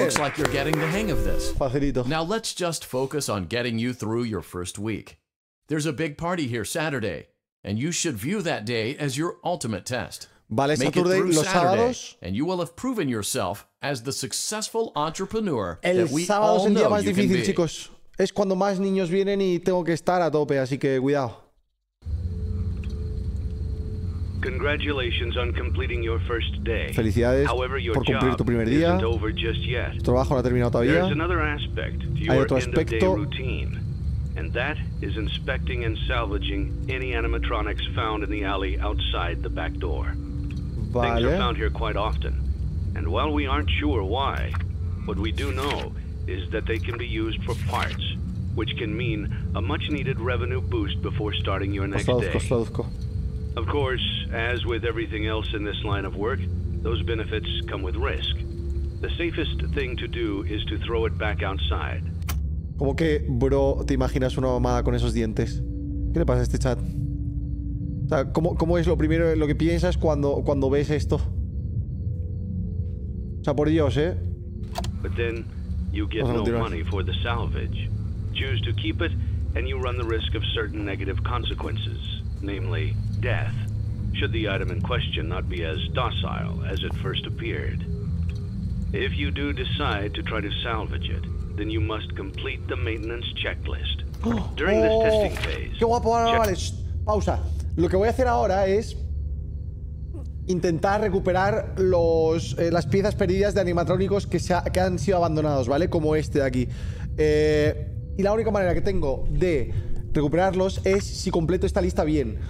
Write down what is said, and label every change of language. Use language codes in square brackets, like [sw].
[en] It looks like you're getting the hang of this. [es] Facilito. [en] Now let's just focus on getting you through your first week. There's a big party here Saturday, and you should view that day as your ultimate test. [es] Vale, Saturday, los sábados. [en] And you will have proven yourself as the successful entrepreneur. [es] El sábado es el día más difícil, chicos. Es cuando más niños vienen y tengo que estar a tope, así que cuidado. [en] Congratulations on completing your first day. [es] Felicidades por cumplir tu primer día. Tu trabajo no ha terminado todavía. Hay otro aspecto. [en] And that is inspecting and salvaging any animatronics found in the alley outside the back door. [es] Vale. [en] Things are found here quite often. And while we aren't sure why, what we do know is that they can be used for parts, which can mean a much needed revenue boost before starting your next day. Of course, as with everything else in this line of work, those benefits come with risk. The safest thing to do is to throw it back outside. [es] ¿Cómo que, bro, te imaginas una mamada con esos dientes? ¿Qué le pasa a este chat? O sea, ¿cómo es lo primero, lo que piensas cuando ves esto? O sea, por Dios, ¿eh? [en] But then you get no money for the salvage. Choose to keep it and you run the risk of certain negative consequences, namely death, should the item in question not be as docile as it first appeared. If you do decide to try to salvage it, then you must complete the maintenance checklist. During this testing phase... [es] ¡Qué guapo! Ahora, vale, pausa. Lo que voy a hacer ahora es intentar recuperar las piezas perdidas de animatrónicos que han sido abandonados, ¿vale? Como este de aquí. Y la única manera que tengo de recuperarlos es si completo esta lista bien.